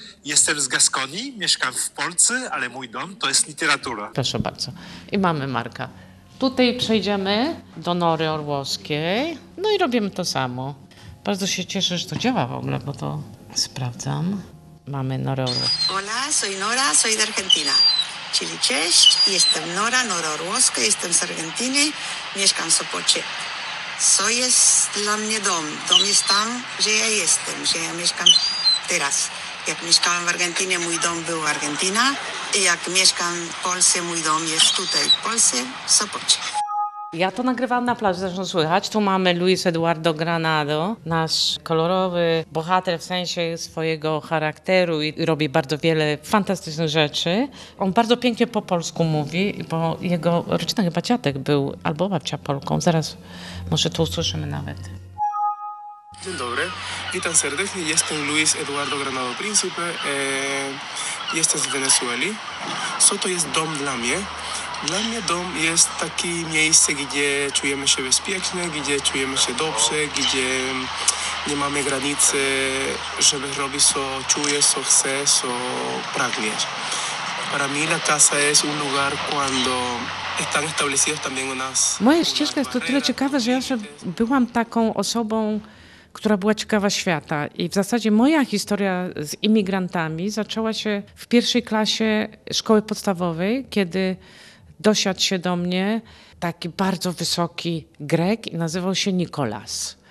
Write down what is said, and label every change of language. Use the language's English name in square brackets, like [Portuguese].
[Polish] Jestem z Gaskonii, mieszkam w Polsce, ale mój dom to jest literatura. Proszę bardzo. I mamy Marka. Tutaj przejdziemy do Nory Orłowskiej, no i robimy to samo. Bardzo się cieszę, że to działa w ogóle, bo to sprawdzam. Mamy Norę Orłowską. [Spanish] Hola, soy Nora, soy de Argentina. [Polish] Czyli cześć, jestem Nora, Nora Orłowska, jestem z Argentyny, mieszkam w Sopocie. Co jest dla mnie dom? Dom jest tam, gdzie ja jestem, gdzie ja mieszkam teraz. Jak mieszkałam w Argentynie, mój dom był w Argentynie. I jak mieszkam w Polsce, mój dom jest tutaj w Polsce, w Sopocie. Ja to nagrywałam na plaży, zresztą słychać. Tu mamy Luis Eduardo Granado, nasz kolorowy bohater w sensie swojego charakteru i robi bardzo wiele fantastycznych rzeczy. On bardzo pięknie po polsku mówi, bo jego rodzina chyba dziadek był albo babcia Polką. Zaraz może tu usłyszymy nawet. Dzień dobry, witam serdecznie. Jestem Luis Eduardo Granado Príncipe. Jestem z Wenezueli. Co to jest dom dla mnie? Dla mnie dom jest takie miejsce, gdzie czujemy się bezpiecznie, gdzie czujemy się dobrze, gdzie nie mamy granicy, żeby robić, co czuję, co chcę, co pragnie. [Spanish] Para mí la casa es un lugar cuando están establecidos también unas... [Polish] Moja ścieżka jest to tyle ciekawa, że ja jeszcze byłam taką osobą, która była ciekawa świata. I w zasadzie moja historia z imigrantami zaczęła się w pierwszej klasie szkoły podstawowej, kiedy dosiadł się do mnie taki bardzo wysoki Grek i nazywał się Nikolas.